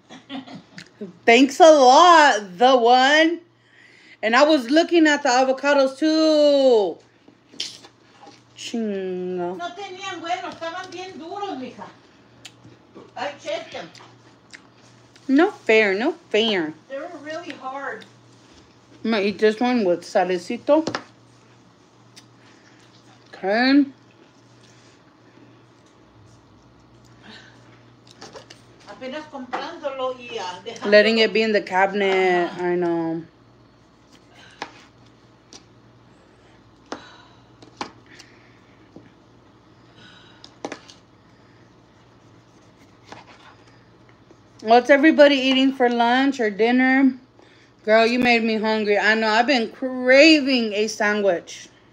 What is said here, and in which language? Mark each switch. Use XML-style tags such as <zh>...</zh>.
<en>No. Thanks a lot, the one. And I was looking at the avocados too. Chingo.</en> <es>No tenían bueno, estaban bien duros, mija.</es> <en>I checked them. No fair, no fair. They're really hard. I'm going to eat this one with salecito. Okay.</en> <es>Apenas comprándolo y dejándolo.</es> <en>Letting it be in the cabinet. Uh-huh. I know. What's everybody eating for lunch or dinner? Girl, you made me hungry. I know, I've been craving a sandwich.</en>